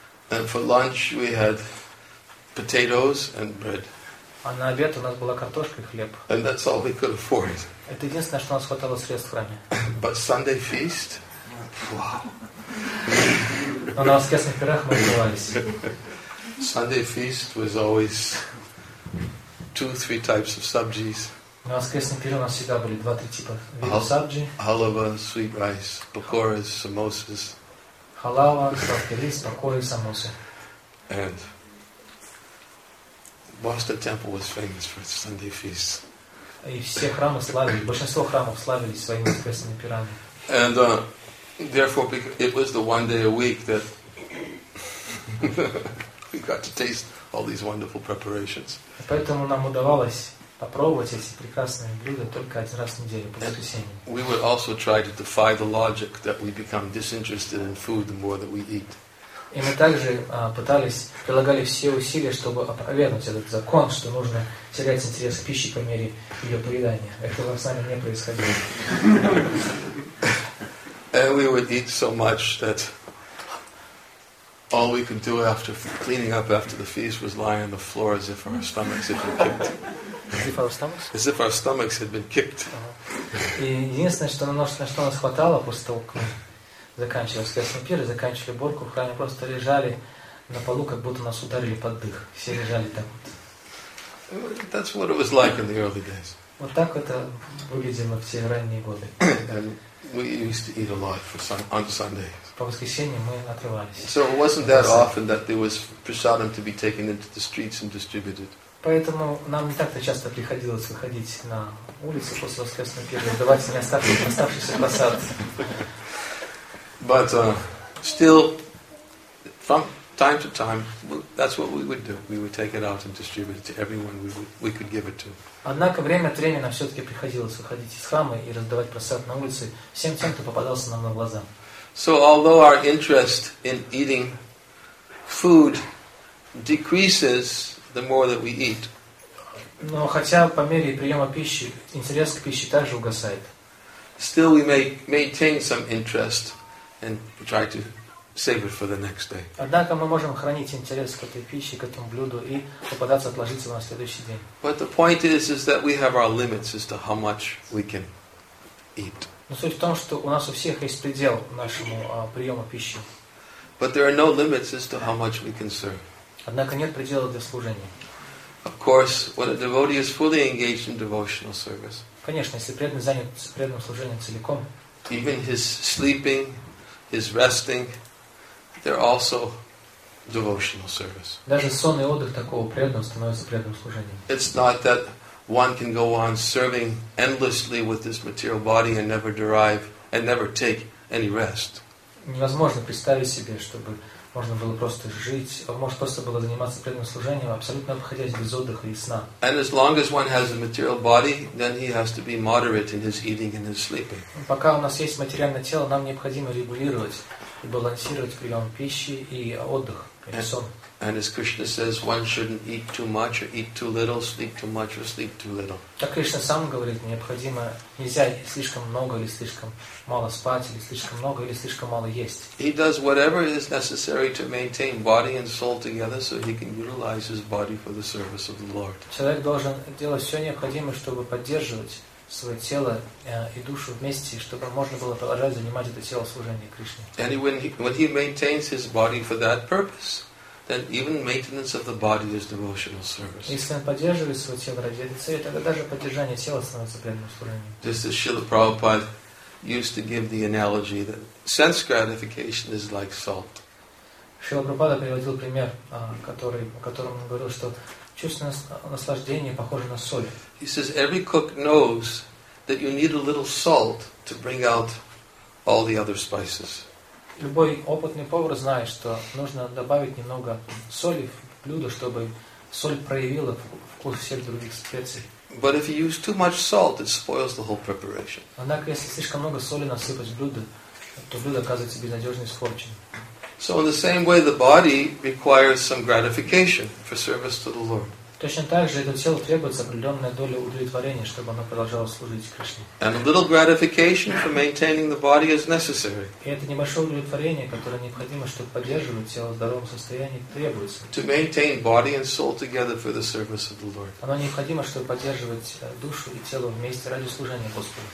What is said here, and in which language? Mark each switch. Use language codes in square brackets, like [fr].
[en] And for lunch we had potatoes and bread. [ru] А на обед у нас была картошка и хлеб. [en] And that's all we could afford. [ru] Это единственное, что у нас хватало средств в храме. [en] But Sunday feast. [ru] Но на воскресных пирах мы одевались. [en] Sunday feast was always 2-3 types of sabjis. [ru] На воскресных пирах у нас всегда были 2-3 типа сабджи. [en] Halava, sweet rice, pakoras, samosas. [ru] Халава, сладкий рис, пакоры, самосы. [en] And Boston Temple was famous for its Sunday feasts. [ru] И все храмы славились, большинство храмов славились своими воскресными пирами. [en] And therefore, it was the one day a week that we got to taste all these wonderful preparations. [ru] Поэтому нам удавалось попробовать эти прекрасные блюда только один раз в неделю по воскресеньям. [en] We would also try to defy the logic that we become disinterested in food the more that we eat. [ru] И мы также пытались, прилагали все усилия, чтобы опровергнуть этот закон, что нужно терять интерес к пище по мере ее поедания. Этого с нами не происходило. [en] And we would eat so much that all we could do after cleaning up after the feast was lie on the floor as if our stomachs had been kicked. As if our stomachs had been kicked. [ru] И единственное, что нас хватало после того, как мы заканчивали воскресный пир и заканчивали уборку, в храме просто лежали на полу, как будто нас ударили под дых. Все лежали там. [en] That's what it was like in the early days. [ru] Вот так это выглядело в те ранние годы. [en] We used to eat a lot on Sundays. [ru] По воскресеньям мы отрывались. [en] So it wasn't that often that there was prasadam to be taken into the streets and distributed. [ru] Поэтому нам не так-то часто приходилось выходить на улицу после воскресного пира и давать не оставшийся просад. [en] But still, from time to time, that's what we would do. We would take it out and distribute it to everyone we could give it to. [ru] Однако время от времени нам все-таки приходилось выходить из храма и раздавать просад на улице всем тем, кто попадался нам на глаза. [en] So although our interest in eating food decreases the more that we eat, [ru] но хотя по мере приема пищи интерес к пище также угасает. [en] Still we may maintain some interest and try to save it for the next day. [ru] Однако мы можем хранить интерес к этой пище, к этому блюду и попытаться отложить его на следующий день. [en] But the point is that we have our limits as to how much we can eat. [ru] Но суть в том, что у нас у всех есть предел нашему приему пищи. [en] But there are no limits as to how much we can serve. [ru] Однако нет предела для служения. [en] Of course, when a devotee is fully engaged in devotional service. [ru] Конечно, если преданный занят преданным служением целиком. [en] Even his sleeping, his resting, they're also devotional service. [ru] Даже сон и отдых такого преданного становится преданным служением. [en] It's not that one can go on serving endlessly with this material body and never derive and never take any rest. [ru] Невозможно представить себе, чтобы можно было просто жить, может просто было заниматься преданным служением, абсолютно обходясь без отдыха и сна. [en] And as long as one has a material body, then he has to be moderate in his eating and his sleeping. [ru] Пока у нас есть материальное тело, нам необходимо регулировать и балансировать прием пищи и отдых, и сон. [en] And as Krishna says, one shouldn't eat too much or eat too little, sleep too much or sleep too little. [ru] Так Кришна сам говорит, необходимо нельзя слишком много или слишком мало спать или слишком много или слишком мало есть. [en] He does whatever is necessary to maintain body and soul together, so he can utilize his body for the service of the Lord. [ru] Человек должен делать все необходимое, чтобы поддерживать свое тело и душу вместе, чтобы можно было продолжать занимать это тело служение Кришне. [en] And when he maintains his body for that purpose. Then even maintenance of the body is devotional service. [ru] Если он поддерживает свое тело ради этой цели, тогда даже поддержание тела становится преданным служением. [en] Just as Srila Prabhupada used to give the analogy that sense gratification is like salt. [ru] Srila Prabhupada приводил пример, о котором он говорил, что чувственное наслаждение похоже на соль. [en] He says every cook knows that you need a little salt to bring out all the other spices. [ru] Любой опытный повар знает, что нужно добавить немного соли в блюдо, чтобы соль проявила вкус всех других специй. [en] But if you use too much salt, it spoils the whole preparation. [ru] Однако, если слишком много соли насыпать в блюдо, то блюдо оказывается безнадежно испорченным. [en] So in the same way, the body requires some gratification for service to the Lord. [ru] Точно так же это тело требуется определенная доля удовлетворения, чтобы оно продолжало служить Кришне. [en] And a little gratification for maintaining the body is necessary. [ru] И это небольшое удовлетворение, которое необходимо, чтобы поддерживать тело в здоровом состоянии, требуется. [en] To maintain body and soul together for the service of the Lord. [ru] Оно необходимо, чтобы поддерживать душу и тело вместе ради служения Господу.